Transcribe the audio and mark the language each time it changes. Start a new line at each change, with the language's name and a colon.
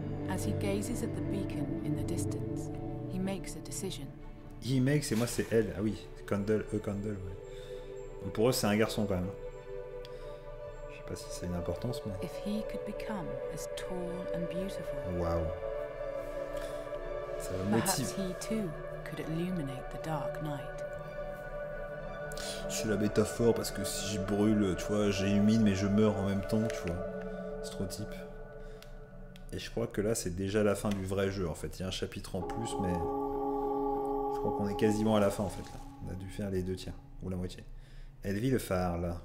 English: As he gazes at the beacon in the distance, he makes a decision. He makes,
French: et moi c'est elle. Ah oui, Candle, Candle, ouais. Donc pour eux c'est un garçon quand même. Je sais pas si ça a une importance, mais.
English: If he could become as tall and beautiful.
French: Wow. Ça motive.
English: Perhaps he too could illuminate the dark night.
French: C'est la métaphore parce que si je brûle, tu vois, j'illumine mais je meurs en même temps, tu vois. C'est trop type. Et je crois que là c'est déjà la fin du vrai jeu en fait. Il y a un chapitre en plus, mais je crois qu'on est quasiment à la fin en fait. Là. On a dû faire les deux tiers ou la moitié. Elle vit le phare là.